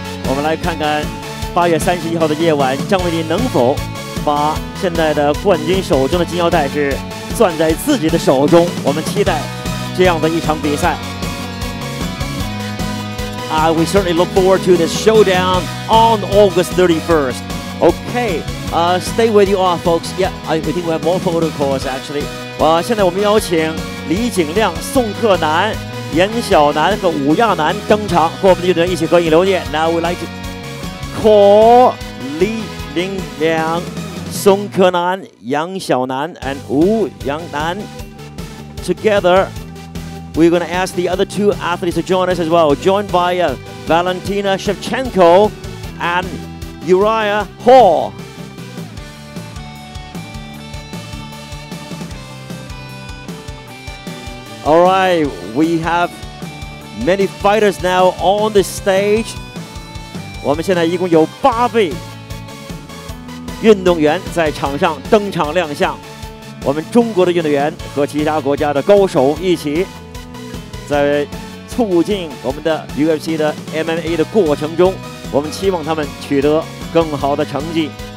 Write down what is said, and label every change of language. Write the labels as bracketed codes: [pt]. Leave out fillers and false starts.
[zh] 我们来看看8月31号的夜晚，张伟丽能否把现在的冠军手中的金腰带是攥在自己的手中？我们期待这样的一场比赛。 [en] We certainly look forward to this showdown on August 31st. Okay, stay where you are, folks. Yeah, I think we have more photo calls actually. [zh] 现在我们邀请李景亮、宋克南、严小南和武亚南登场，和我们的运动员一起合影留念。 [en] Now we'd like to. Call Li Liang, Song Kenan, Yang Xiaonan, and Wu Yangnan. Together, we're going to ask the other two athletes to join us as well. Joined by Valentina Shevchenko and Uriah Hall. All right, we have many fighters now on the stage. [zh] 我们现在一共有8位运动员在场上登场亮相，我们中国的运动员和其他国家的高手一起在促进我们的 UFC 的 MMA 的过程中，我们期望他们取得更好的成绩。